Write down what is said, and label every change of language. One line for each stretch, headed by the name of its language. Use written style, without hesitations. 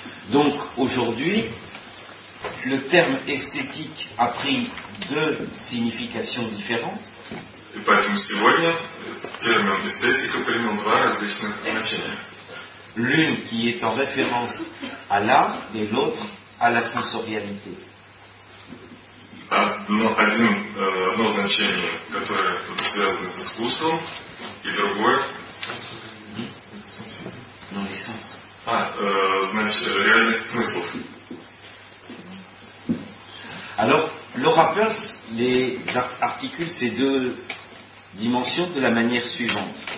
French: Donc, aujourd'hui, le terme esthétique a pris deux significations différentes.
Russian: Et поэтому сегодня термин эстетика принял два различных значения.
French: L'une qui est en référence à l'art et l'autre à la sensorialité.
Russian: Одно значение, которое связано с искусством, и другое... значит, реальность смыслов.
French: Alors, Laura Peirce les articule ces deux dimensions de la manière suivante.